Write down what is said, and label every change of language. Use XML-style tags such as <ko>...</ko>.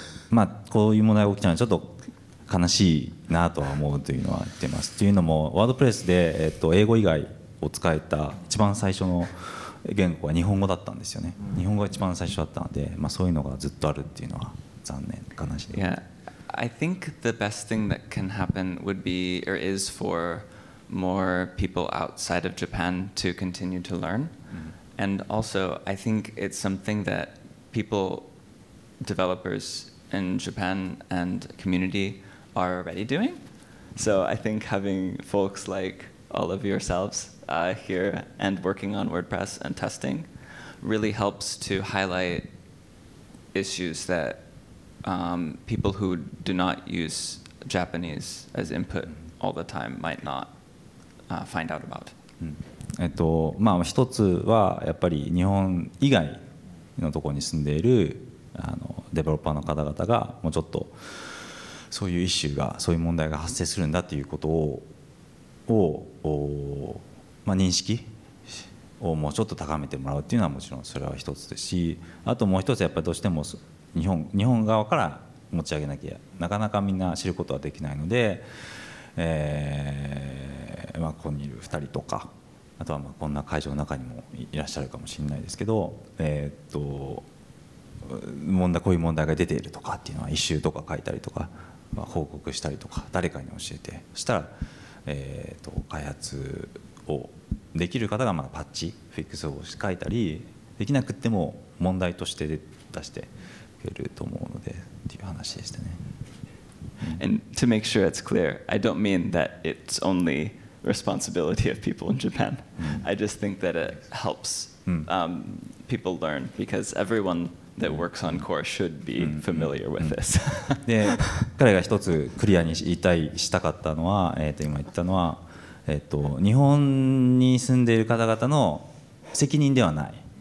<ja>まあこういう問題が起きたのはちょっと悲しいなとは思うというのは言ってます。というのも WordPress で英語以外を使えた一番最初の言語は日本語だったんですよね。日本語が一番最初だったので、まあそういうのがずっとあるっていうのは。</ja> <en>Yeah, I think the best thing that can happen would be or is for more people outside of Japan to continue to learn. And also, I think it's something that people, developers in Japan and community are already doing. So I think having folks like all of yourselves here and working on WordPress and testing really helps to highlight issues that people who do not use Japanese as input all the time might not find out about.</en> <ja>まあ一つはやっぱり日本以外のところに住んでいるあのデベロッパーの方々がもうちょっとそういうイシューがそういう問題が発生するんだということをまあ認識をもうちょっと高めてもらうっていうのはもちろんそれは一つですし、あともう一つやっぱりどうしても日本側から持ち上げなきゃなかなかみんな知ることはできないので、まあ、ここにいる2人とかあとはまあこんな会場の中にもいらっしゃるかもしれないですけど、問題こういう問題が出ているとかっていうのは一周とか書いたりとか、まあ、報告したりとか誰かに教えてそしたら開発をできる方が、まあパッチフィックスを書いたりできなくても問題として出してくれると思うのでっていう話でしたね。</ja> <en>And to make sure it's clear, I don't mean that it's only responsibility of people in Japan. I just think that it helps people learn because everyone that works on core should be familiar with this.</en> <ja>で、彼が一つクリアに言いたいしたかったのは、今言ったのは、日本に住んでいる方々の責任ではない。</ja>